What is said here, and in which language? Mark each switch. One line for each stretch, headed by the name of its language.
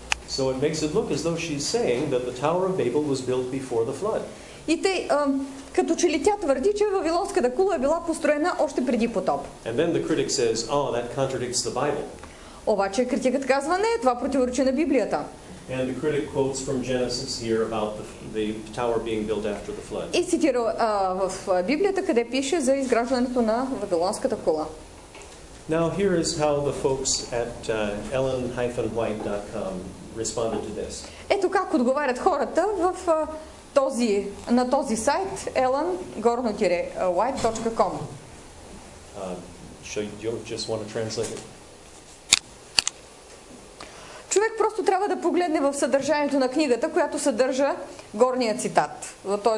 English: So it makes it look as though she's saying that the Tower of Babel was built before the flood.
Bulgarian: И те, като че ли тя твърди, че Вавилонската кула е била построена още преди потоп.
English: And then the critic says, oh, that contradicts the Bible.
Bulgarian: Обаче критикът казва, не, това противоречи на Библията.
English: And the critic quotes from Genesis here about the tower being built after the flood.
Bulgarian: И цитира в Библията, къде пише за изграждането на Вавилонската кула.
English: Now here is how the folks at ellen-white.com responded to this.
Bulgarian: Ето как отговарят хората в този на този сайт ellen-white.com.
English: Should you just want to translate it?
Bulgarian: Човек просто трябва да погледне в съдържанието на книгата, която съдържа горния цитат, т.е.